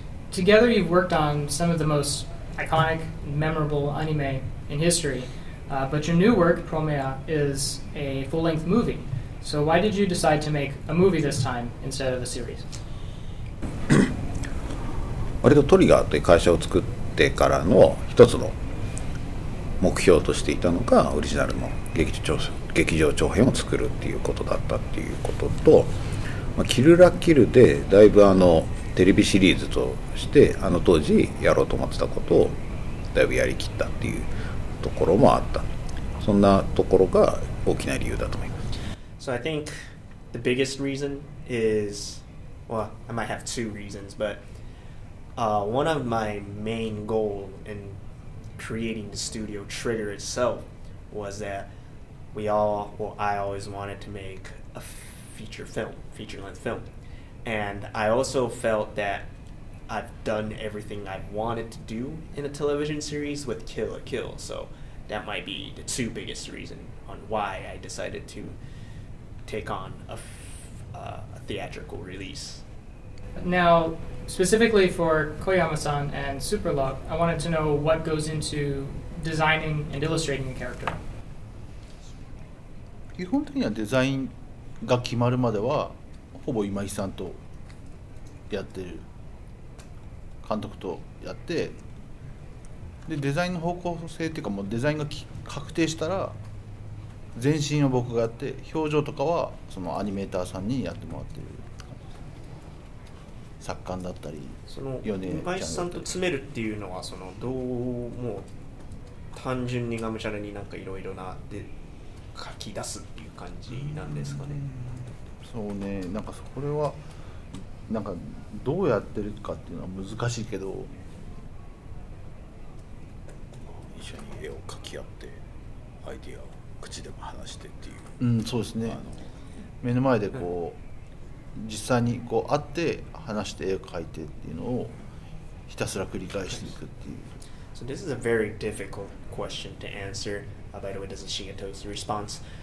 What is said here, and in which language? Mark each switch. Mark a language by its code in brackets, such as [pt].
[en] Together you've worked on some of the most iconic, memorable anime in history, but your new work, Promea, is a full-length movie. So why did you decide to make a movie this time instead of a series? [ja] 割とトリガーという会社を作ってからの一つの目標としていたのが、オリジナルの劇場長編を作るっていうことだったっていうことと、まあ、キルラキルでだいぶあのテレビシリーズとしてあの当時やろうと思ってたことをだいぶやりきったっていうところもあった。そんなところが大きな理由だと思います。 [en] So I think the biggest reason is, well, I might have two reasons, butone of my main goal in creating the Studio Trigger itself was that I always wanted to make a feature-length film. And I also felt that I've done everything I wanted to do in a television series with Kill la Kill. So that might be the two biggest reason on why I decided to take on a theatrical release. Now, specifically for Koyama-san and Superlock, I wanted to know what goes into designing and illustrating a character. [ja] 基本的にはデザインが決まるまではほぼ今井さんとやってる、監督とやって、でデザインの方向性っていうか、もうデザインが確定したら全身を僕がやって、表情とかはそのアニメーターさんにやってもらってる。作家だったり、その今井さんと詰めるっていうのは、そのどうも単純にがむしゃらになんかいろいろなって書き出すっていう感じなんですかね。そうね、なんかこれはなんかどうやってるかっていうのは難しいけど、一緒に絵を描き合って、アイディアを口でも話してっていう、うん、そうですね、目の前でこう、うん、実際にこう会って話して絵を描いてっていうのをひたすら繰り返していくっていう。 [en] So this is a very difficult question to answer. By the way, this is Shigeto's response.